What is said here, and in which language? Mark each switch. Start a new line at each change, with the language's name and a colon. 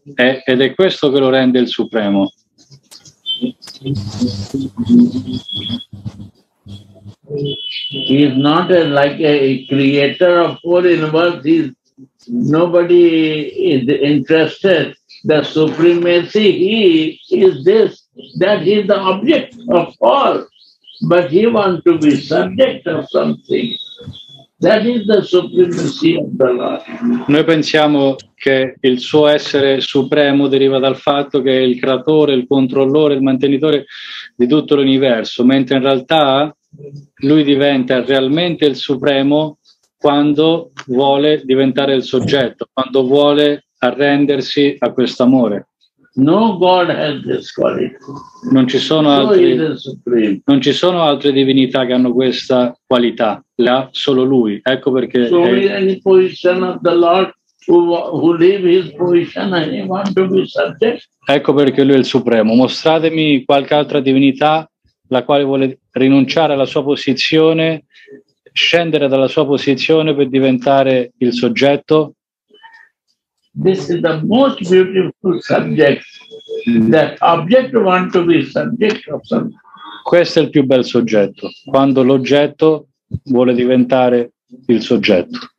Italian: Ed è questo che lo rende il supremo.
English: He is not a, like a creator of four universes. He's, nobody is interested. The supremacy he is this, that he is the object of all. But he wants to be subject of something. That is the supremacy of the Lord.
Italian: Noi pensiamo che il suo essere supremo deriva dal fatto che è il creatore, il controllore, il mantenitore di tutto l'universo, mentre in realtà lui diventa realmente il supremo quando vuole diventare il soggetto, quando vuole arrendersi a questo amore.
English: No God has this quality.
Italian: Non ci sono altri, non ci sono altre divinità che hanno questa qualità. La solo lui. Ecco perché. So è...
English: in any position of the Lord who leave his position and he wants to be subject.
Italian: Ecco perché lui è il supremo. Mostratemi qualche altra divinità la quale vuole rinunciare alla sua posizione, scendere dalla sua posizione per diventare il soggetto.
English: This is the most beautiful subject. That object want to be subject of something.
Italian: Questo è il più bel soggetto, quando l'oggetto vuole diventare il soggetto.